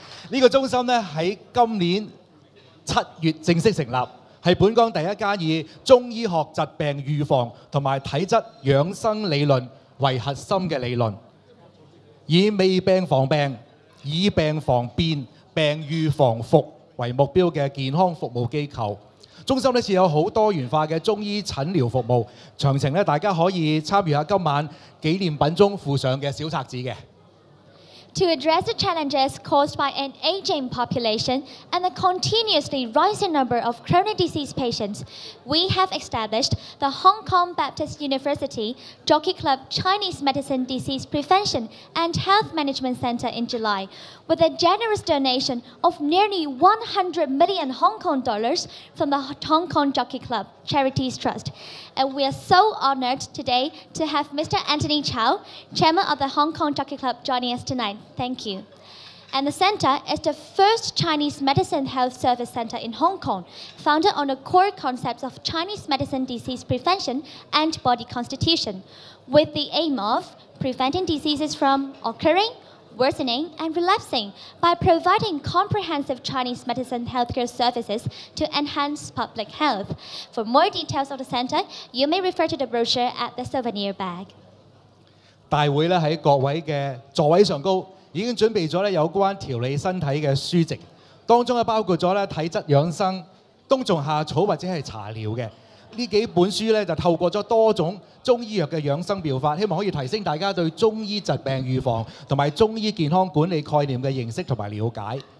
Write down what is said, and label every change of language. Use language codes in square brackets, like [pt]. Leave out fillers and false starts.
[zh] 這個中心在今年7月正式成立，是本港第一間以中醫學疾病預防和體質養生理論為核心的理論，以未病防病，以病防變，病預防服為目標的健康服務機構。中心設有很多元化的中醫診療服務，詳情大家可以參與今晚紀念品中附上的小冊子。 [en] To address the challenges caused by an aging population and the continuously rising number of chronic disease patients, we have established the Hong Kong Baptist University Jockey Club Chinese Medicine Disease Prevention and Health Management Center in July. With a generous donation of nearly 100 million Hong Kong dollars from the Hong Kong Jockey Club Charities Trust. And we are so honored today to have Mr. Anthony Chow, chairman of the Hong Kong Jockey Club, joining us tonight. Thank you. And the center is the first Chinese medicine health service center in Hong Kong, founded on the core concepts of Chinese medicine disease prevention and body constitution, with the aim of preventing diseases from occurring, worsening and relapsing by providing comprehensive Chinese medicine healthcare services to enhance public health. For more details of the center, you may refer to the brochure at the souvenir bag. [zh] 大会在各位的座位上高已经准备了有关调理身体的书籍，当中包括了体质养生、冬虫夏草或者是茶疗的这几本书，就透过了多种中医药的养生妙法，希望可以提升大家对中医疾病预防和中医健康管理概念的认识和了解。